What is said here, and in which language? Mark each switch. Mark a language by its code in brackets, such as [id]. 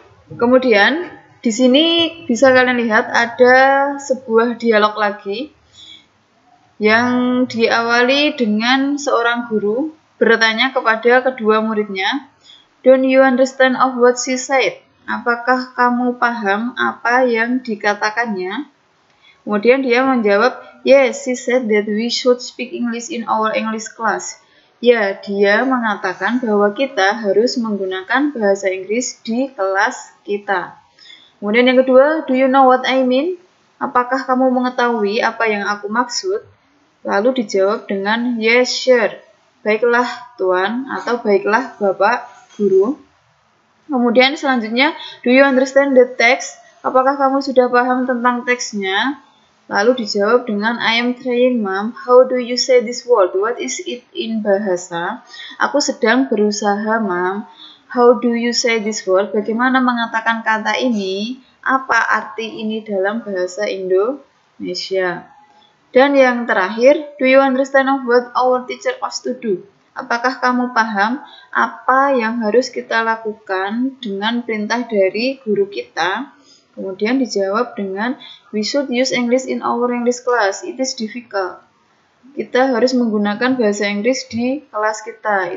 [id] Kemudian, di sini bisa kalian lihat ada sebuah dialog lagi yang diawali dengan seorang guru bertanya kepada kedua muridnya, [en] "Don't you understand of what she said?" [id] Apakah kamu paham apa yang dikatakannya? Kemudian dia menjawab, [en] "Yes, she said that we should speak English in our English class." [id] Ya, dia mengatakan bahwa kita harus menggunakan bahasa Inggris di kelas kita. Kemudian yang kedua, [en] "Do you know what I mean?" [id] Apakah kamu mengetahui apa yang aku maksud? Lalu dijawab dengan, [en] yes, sure, [id] baiklah tuan, atau baiklah bapak guru. Kemudian selanjutnya, [en] do you understand the text? [id] Apakah kamu sudah paham tentang teksnya? Lalu dijawab dengan, [en] I am trying, ma'am, how do you say this word? What is it in bahasa? [id] Aku sedang berusaha, [en] ma'am, how do you say this word? [id] Bagaimana mengatakan kata ini? Apa arti ini dalam bahasa Indonesia? Dan yang terakhir, [en] do you understand of what our teacher wants to do? [id] Apakah kamu paham apa yang harus kita lakukan dengan perintah dari guru kita? Kemudian dijawab dengan, [en] we should use English in our English class. It is difficult. [id] Kita harus menggunakan bahasa Inggris di kelas kita.